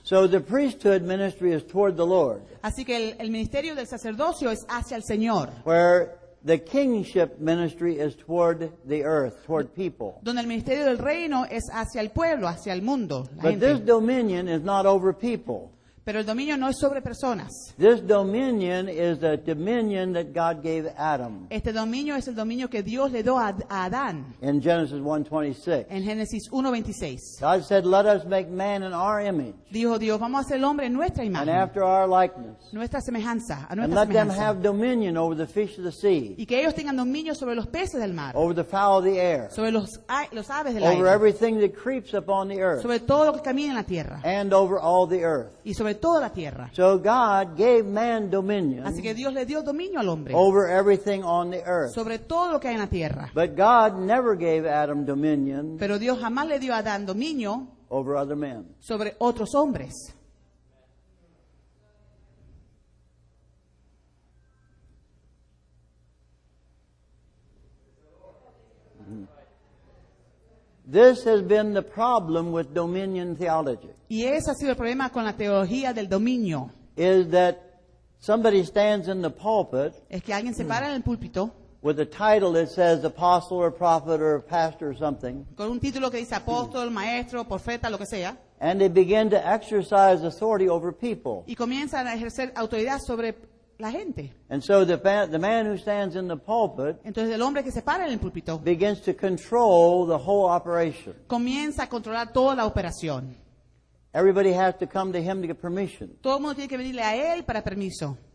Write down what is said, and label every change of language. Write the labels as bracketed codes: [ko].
[en] So the priesthood ministry is toward the Lord. [es] Así que el ministerio del sacerdocio es hacia el Señor. [en] Where the kingship ministry is toward the earth, toward people. [es] Donde el ministerio del reino es hacia el pueblo, hacia el mundo, la gente. [en] But this dominion is not over people. [es] Pero el dominio no es sobre personas. [en] This dominion is the dominion that God gave Adam. [es] Este dominio es el dominio que Dios le dio a Adán. [en] In Genesis 1:26. [es] En Génesis 1:26. [en] God said, "Let us make man in our image." [es] Dijo Dios, vamos a hacer el hombre en nuestra imagen. [en] And after our likeness. [es] Nuestra semejanza. A nuestra [en] and let [es] semejanza. [en] Them have dominion over the fish of the sea. [es] Y que ellos tengan dominio sobre los peces del mar. [en] Over the fowl of the air. [es] Sobre los aves del [en] over [es] aire. [en] Over everything that creeps upon the earth. [es] Sobre todo lo que camina en la tierra. [en] And over all the earth. [es] Y sobre toda la tierra. [en] So God gave man dominion. [es] Así que Dios le dio dominio al hombre. [en] Over everything on the earth. [es] Sobre todo lo que hay en la tierra. [en] But God never gave Adam dominion. [es] Pero Dios jamás le dio a Adán dominio. [en] Over other men. [es] Sobre otros hombres. [en] This has been the problem with dominion theology. [es] Y ese ha sido el problema con la teología del dominio. [en] Is that somebody stands in the pulpit. [es] Es que alguien se para en el púlpito. [en] With a title that says apostle or prophet or pastor or something. [es] Con un título que dice apóstol, maestro, profeta, lo que sea. [en] And they begin to exercise authority over people. [es] Y comienzan a ejercer autoridad sobre la gente. [en] And so the man who stands in the pulpit. [es] Entonces el hombre que se para en el púlpito. [en] Begins to control the whole operation. [es] Comienza a controlar toda la operación. [en] Everybody has to come to him to get permission. [es] Todo el mundo tiene que venirle a él para permiso.